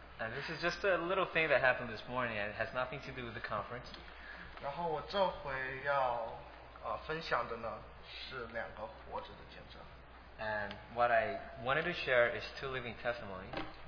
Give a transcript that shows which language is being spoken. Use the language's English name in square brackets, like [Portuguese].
[English] And this is just a little thing that happened this morning, and it has nothing to do with the conference. [Chinese] 然后我这回要分享的呢，是两个活着的见证。 [English] And what I wanted to share is two living testimonies.